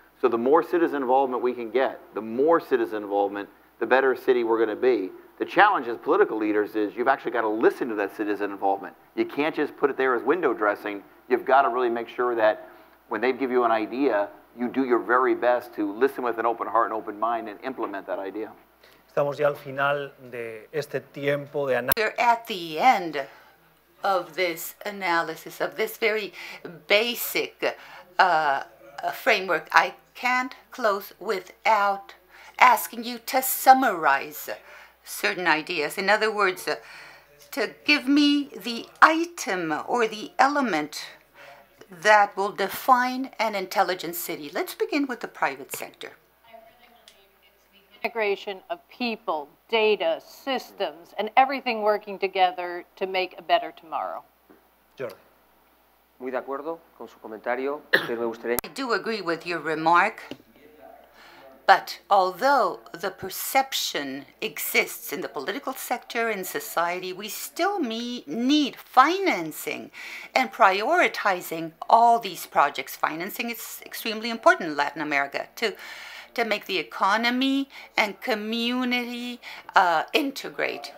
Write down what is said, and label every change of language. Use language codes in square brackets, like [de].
[en] So the more citizen involvement we can get, the more citizen involvement, the better city we're going to be. The challenge as political leaders is you've actually got to listen to that citizen involvement. You can't just put it there as window dressing. You've got to really make sure that when they give you an idea, you do your very best to listen with an open heart and open mind and implement that idea. [es] Estamos ya al final de este tiempo de análisis. [en] We're at the end of this analysis, of this very basic framework. I can't close without asking you to summarize certain ideas. In other words, to give me the item or the element that will define an intelligent city. Let's begin with the private sector. Integration of people, data, systems, and everything working together to make a better tomorrow. Jordi. [es] Muy de acuerdo con su comentario, pero me gustaría... [en] I do agree with your remark, but although the perception exists in the political sector, in society, we still need financing and prioritizing all these projects. Financing is extremely important in Latin America to make the economy and community integrate.